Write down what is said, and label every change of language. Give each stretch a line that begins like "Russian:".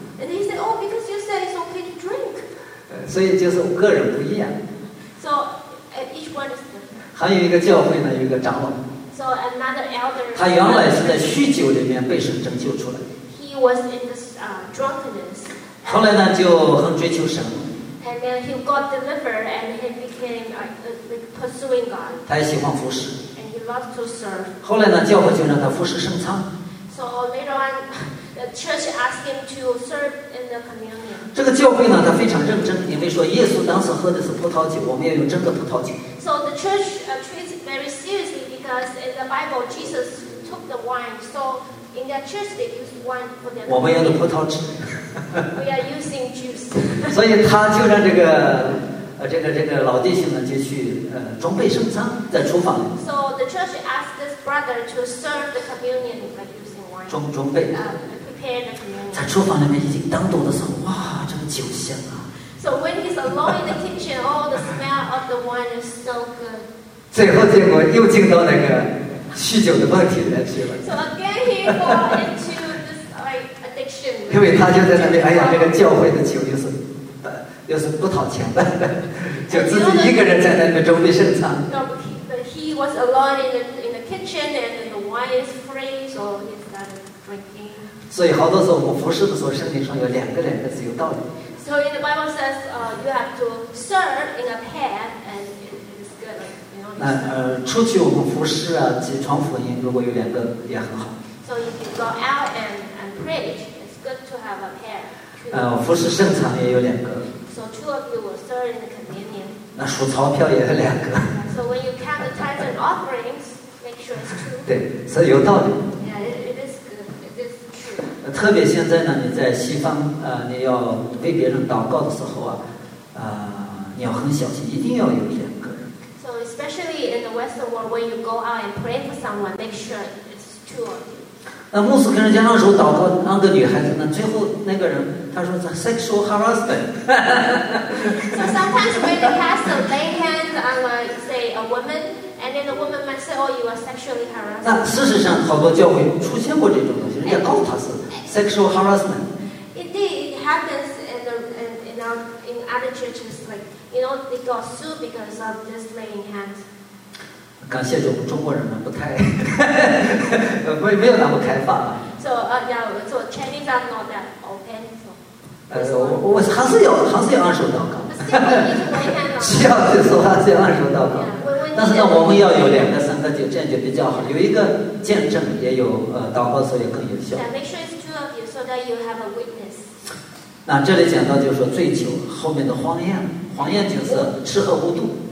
English: ？”And he said, "Oh, because you said it's okay to drink."
Chinese: 所以就是个人不一样。
English: So each one is different.
Chinese: 还有一个教会呢，有一个长老。
English: So another elder.
Chinese: 他原来是在酗酒里面被神拯救出来。
English: He was in this drunkenness.
Chinese: 后来呢，就很追求神。
English: And then he got delivered, and he became pursuing God.
Chinese: 他也喜欢服侍。
English: To serve.
Chinese: 后来呢，教会就让他服侍圣餐。
English: So later on, the church asked him to serve in the communion.
Chinese: 这个教会呢，他非常认真，因为说耶稣当时喝的是葡萄酒，我们要用真的葡萄酒。
English: So the church treats it very seriously because in the Bible Jesus took the wine. So in their church they use wine for their.
Chinese: 我们用的葡萄汁。
English: We are using juice.
Chinese: 所以他就让这个老弟兄呢，就去装备圣餐，在厨房。
English: So the church asked this brother to serve the communion by using wine.
Chinese: 装备。
English: Prepare the communion.
Chinese: 在厨房里面已经当道的时候，哇，这个酒香啊！
English: So when he's alone in the kitchen, all the smell of the wine is so good.
Chinese: 最后结果又进到那个酗酒的问题里面去了。
English: So again, he got into this like addiction.
Chinese: 因为他就在那里，哎呀，这个教会的酒就是。又是不讨钱的，就自己一个人在那边准备圣餐。
English: No, but he was alone in the kitchen, and the wine is free, so he started drinking.
Chinese: 所以好多时候我们服侍的时候，圣经上有两个两个是有道理。
English: So in the Bible says, you have to serve in a pair, and it's good, you know.
Chinese: 那出去我们服侍啊，及传福音，如果有两个也很好。
English: So if you go out and preach, it's good to have a pair.
Chinese: 服侍圣餐也有两个。
English: So two of you will serve in the communion.
Chinese: 那数钞票也有两个。
English: So when you count the tithes and offerings, make sure it's true.
Chinese: 对，所以有道理。
English: Yeah, it is true.
Chinese: 特别现在呢，你在西方，你要为别人祷告的时候啊，你要很小心，一定要有两个人。
English: So especially in the Western world, when you go out and pray for someone, make sure it's two of you.
Chinese: 那牧师跟人家那时候祷告，那个女孩子呢，最后那个人他说是
English: sexual harassment。 So sometimes when the pastor lay hands on say a woman, and then the woman might say, "Oh, you are sexually harassed."
Chinese: 那事实上，好多教会出现过这种东西，人家告他是
English: sexual harassment。 Indeed, it happens in other churches, like you know, they got sued because of this laying hands.
Chinese: 感谢主，中国人们不太没有那么开放。
English: So yeah, so Chinese are not that open. So.
Chinese: 我还是要按手祷告。需要的时候还是要按手祷告。但是呢，我们要有两个、三个，这样就比较好。有一个见证，也有祷告，所以更有效。
English: Yeah, make sure it's two of you so that you have a witness.
Chinese: 那这里讲到就是说醉酒后面的荒宴，荒宴就是吃喝无度。